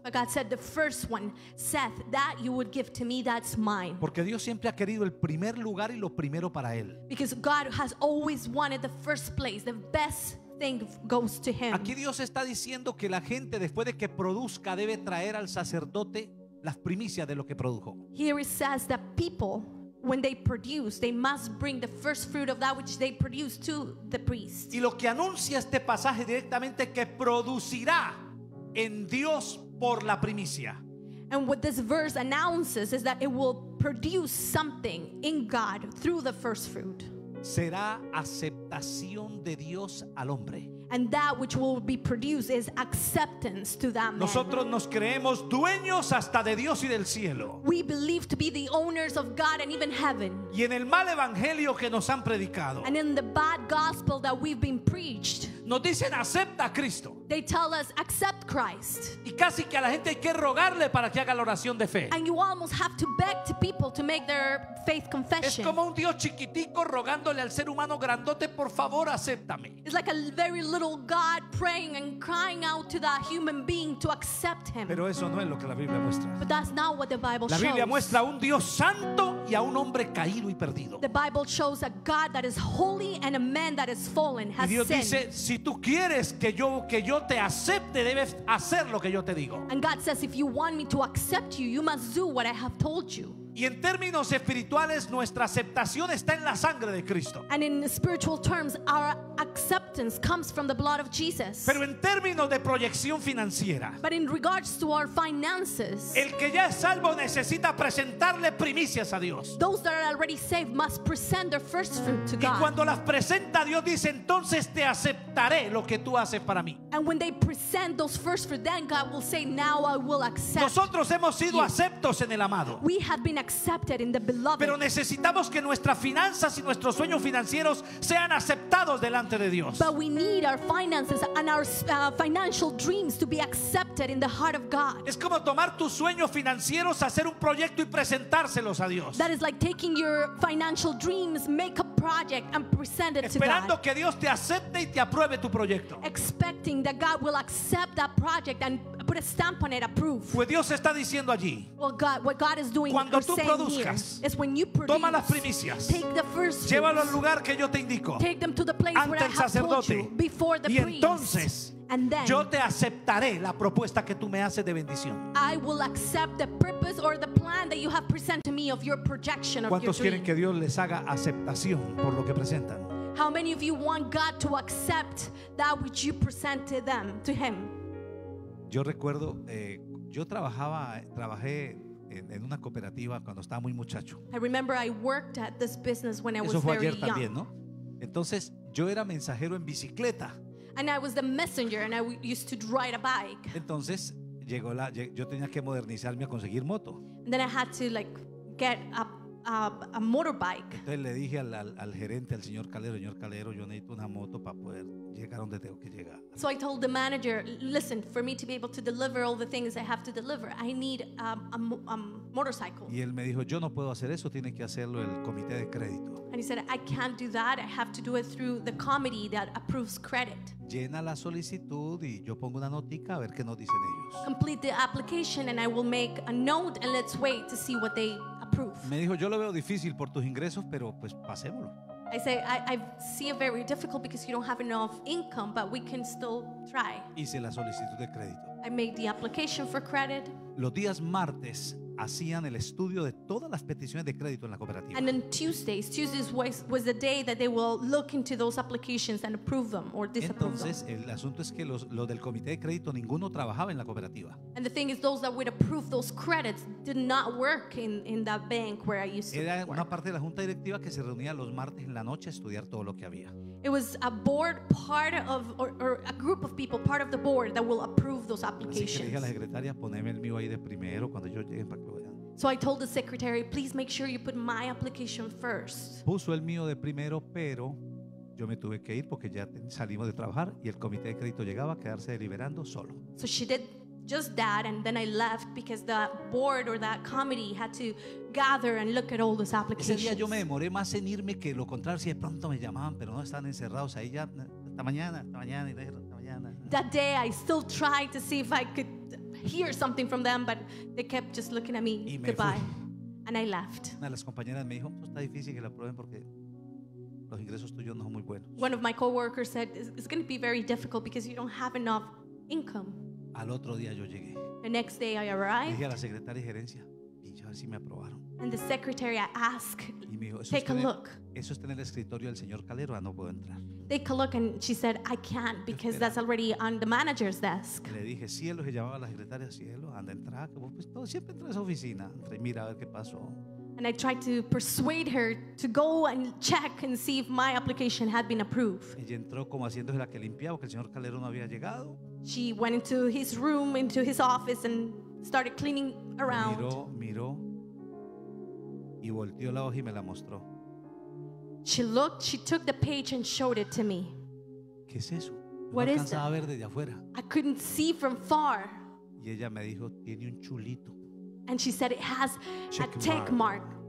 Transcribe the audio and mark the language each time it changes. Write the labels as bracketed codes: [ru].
[en] But God said the first one, Seth, that you would give to me, that's mine. [es] Porque Dios siempre ha querido el primer lugar y lo primero para él. [en] Because God has always wanted the first place, the best thing goes to him. [es] Aquí Dios está diciendo que la gente después de que produzca debe traer al sacerdote las primicias de lo que produjo. [en] Here it says that people, when they produce, they must bring the first fruit of that which they produce to the priest. [es] Y lo que anuncia este pasaje directamente que producirá en Dios por la primicia. [en] And what this verse announces is that it will produce something in God through the first fruit. [es] Será aceptación de Dios al hombre. [en] And that which will be produced is acceptance to that man. [es] Nosotros nos creemos dueños hasta de Dios y del cielo. [en] We believe to be the owners of God and even heaven. [es] Y en el mal evangelio que nos han predicado. [en] And in the bad gospel that we've been preached. [es] Nos dicen acepta a Cristo. [en] They tell us accept Christ. [es] Y casi que a la gente hay que rogarle para que haga la oración de fe. [en] And you almost have to beg to people to make their faith confession. [es] Es como un Dios chiquitico rogándole al ser humano grandote, por favor, acéptame. [en] It's like a very little God praying and crying out to that human being to accept him. [es] Pero eso no es lo que la Biblia muestra. [en] But that's not what the Bible shows. [es] La Biblia muestra a un Dios santo y a un hombre caído y perdido. [en] The Bible shows a God that is holy and a man that is fallen, has sinned. [es] Y Dios dice, si tú quieres que yo te acepte, debes hacer lo que yo te digo. [en] And God says, if you want me to accept you, you must do what I have told you. [es] Y en términos espirituales, nuestra aceptación está en la sangre de Cristo. [en] And in spiritual terms, our acceptance comes from the blood of Jesus. [es] Pero en términos de proyección financiera, [en] but in regards to our finances, [es] el que ya es salvo necesita presentarle primicias a Dios. [en] Those that are already saved must present their first fruit to God. [es] Y cuando las presenta, Dios dice, entonces te aceptaré lo que tú haces para mí. [en] And when they present those first fruit, then God will say, now I will accept. [es] Nosotros hemos sido aceptos en el amado. [en] We have been accepted in the beloved. [es] Pero necesitamos que nuestras finanzas y nuestros sueños financieros sean aceptados delante de Dios. [en] But we need our finances and our financial dreams to be accepted in the heart of God. [es] Es como tomar tus sueños financieros, hacer un proyecto y presentárselos a Dios. [en] That is like taking your financial dreams, make a project and present it to God. [es] Esperando que Dios te acepte y te apruebe tu proyecto. [en] Expecting that God will accept that project and put a stamp on it, approve. [es] Pues Dios está diciendo allí. [en] Well, God, what God is doing. [es] Cuando tú produzcas, [en] is when you produce, [es] toma las primicias, [en] take the first fruits, [es] llévalo al lugar que yo te indico, [en] take them to the place [es] ante el sacerdote, y entonces yo te aceptaré la propuesta que tú me haces de bendición. [en] I will accept the purpose or the plan that you have presented to me of your projection of your dream. [es] ¿Cuántos quieren que Dios les haga aceptación por lo que presentan? [en] How many of you want God to accept that which you present to them, to him? [es] Yo recuerdo, yo trabajé en una cooperativa cuando estaba muy muchacho. [en] I remember I worked at this business when I [es] Eso [en] was very [es] también, [en] young. [es] Eso fue ayer también, ¿no? Entonces, yo era mensajero en bicicleta. [en] And I was the messenger and I used to ride a bike. [es] Entonces, yo tenía que modernizarme a conseguir moto. [en] And then I had to like get a motorbike. [es] Entonces le dije al gerente, al señor Calero, yo necesito una moto para poder llegar donde tengo que llegar. [en] So I told the manager, listen, for me to be able to deliver all the things I have to deliver, I need a motorcycle. [es] Y él me dijo, yo no puedo hacer eso, tiene que hacerlo el comité de crédito. [en] And he said, I can't do that, I have to do it through the committee that approves credit. [es] Llena la solicitud y yo pongo una notica a ver qué nos dicen ellos. [en] Complete the application and I will make a note and let's wait to see what they approve. [es] Me dijo, yo lo veo difícil por tus ingresos, pero pues pasémoslo. [en] I say, I see it very difficult because you don't have enough income, but we can still try. [es] Hice la solicitud de crédito. [en] I made the application for credit. [es] Los días martes hacían el estudio de todas las peticiones de crédito en la cooperativa. [en] And then Tuesdays was the day that they will look into those applications and approve them or disapprove [es] Entonces, [en] them. [es] Entonces, el asunto es que los del comité de crédito, ninguno trabajaba en la cooperativa. [en] And the thing is, those that would approve those credits did not work in that bank where I used to [es] Era [en] work. [es] Era una parte de la junta directiva que se reunía los martes en la noche a estudiar todo lo que había. [en] It was a board part of, or a group of people, part of the board that will approve those applications. [es] Así que le dije a la secretaria, poneme el mío ahí de primero cuando yo llegue. [en] So I told the secretary, please make sure you put my application first. [es] Puso el mío de primero, pero yo me tuve que ir porque ya salimos de trabajar y el comité de crédito llegaba a quedarse deliberando solo. [en] So she did just that, and then I left because the board or that committee had to gather and look at all those applications. [es] Ese día yo me demoré más en irme que lo contrario, si de pronto me llamaban, pero no, están encerrados ahí ya. Hasta mañana. [en] That day I still tried to see if I could hear something from them, but they kept just looking at me. Goodbye. And I left. [es] Una de las compañeras me dijo, está difícil que la aprueben porque los ingresos tuyos no son muy buenos. [en] One of my coworkers said, it's going to be very difficult because you don't have enough income. [es] Al otro día yo llegué. [en] The next day I arrived. [es] Dije a la secretaria de gerencia, y a ver si me aprobaron. [en] And the secretary I asked, [es] dijo, [en] take a look. [es] Eso está en el escritorio del señor Calero, no puedo entrar. [en] Take a look, and she said, I can't because that's already on the manager's desk. [es] Le dije, cielo, se llamaba la secretaria, cielo, anda, entra, que vos, pues, todo, siempre entra a esa oficina, entra y mira a ver qué pasó. [en] And I tried to persuade her to go and check and see if my application had been approved. [es] Ella entró como haciéndose la que limpiaba, porque el señor Calero no había llegado. [en] She went into his room, into his office, and started cleaning around. [es] Miró, y volteó la hoja y me la mostró. [en] She looked, she took the page and showed it to me. [es] ¿Qué es eso? [en] What is that? [es] A ver desde afuera. [en] I couldn't see from far. [es] Y ella me dijo, tiene un chulito. [en] And she said it has a check mark.